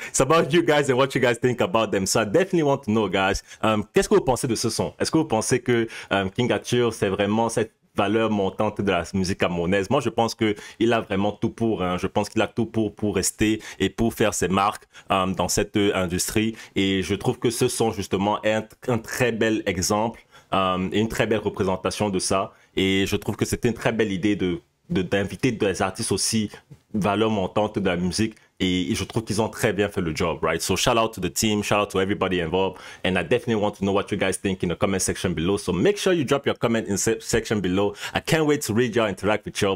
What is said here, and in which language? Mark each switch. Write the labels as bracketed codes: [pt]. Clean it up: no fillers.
[en] It's about you guys and what you guys think about them. So I definitely want to know, guys. [fr] Qu'est-ce que vous pensez de ce son? Est-ce que vous pensez que King Arthur, c'est vraiment cette valeur montante de la musique camerounaise? Moi, je pense qu'il a vraiment tout pour. Hein. Je pense qu'il a tout pour rester et pour faire ses marques dans cette industrie. Et je trouve que ce son, justement, est un très bel exemple et une très belle représentation de ça. Et je trouve que c'était une très belle idée d'inviter des artistes aussi valeur montante de la musique et je trouve qu'ils ont très bien fait le job, right? [en] So shout out to the team, shout out to everybody involved and I definitely want to know what you guys think in the comment section below. So make sure you drop your comment in section below. I can't wait to read y'all, interact with y'all.